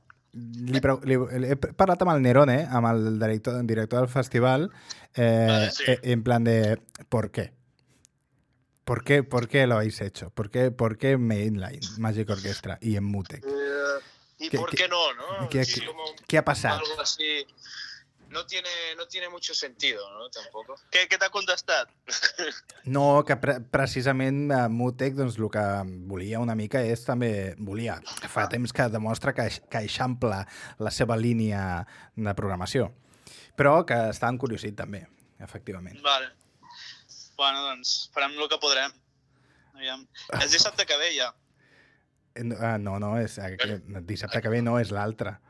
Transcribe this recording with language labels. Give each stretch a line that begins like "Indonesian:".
Catalan: He parlat amb el Nerone, amb el director del festival, sí.
Spanish: En plan de ¿por qué? ¿Por qué lo habéis hecho? ¿Por qué Mainline, Magic Orchestra y en Mutec? ¿Y por qué no? ¿Qué ha pasado? Algo así. No tiene mucho sentido, ¿no? Tampoco. ¿Qué te ha contestado? No, que precisamente Mutec, pues, lo que
Catalan: volía una mica
Spanish: es también...
Catalan: Volía. Fa temps que demostra que eixampla la seva línia de programació. Però que està encuriosit també, efectivament. Vale. Bueno, doncs farem el que podrem. Aviam. És dissabte que ve, ja. No, és dissabte que ve, no, és l'altre.